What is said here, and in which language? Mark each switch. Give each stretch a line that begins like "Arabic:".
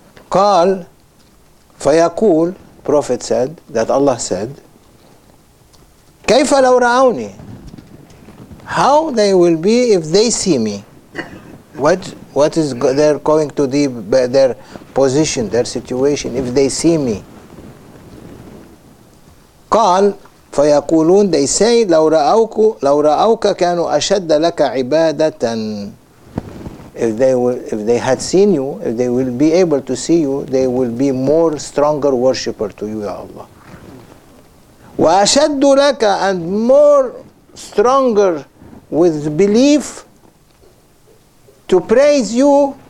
Arabic: قال فيقول,
English: Prophet said, that Allah said,
Arabic: كيف لو رأوني,
English: how they will be if they see me? What is their going to be, their position, their situation, if they see me?
Arabic: قال فيقولون,
English: they say,
Arabic: لو رأوك كانوا أشد لك عبادة.
English: If they had seen you, if they will be able to see you, they will be more stronger worshipper to you, Ya Allah.
Arabic: وَأَشَدُّ لَكَ,
English: and more stronger with belief to praise you.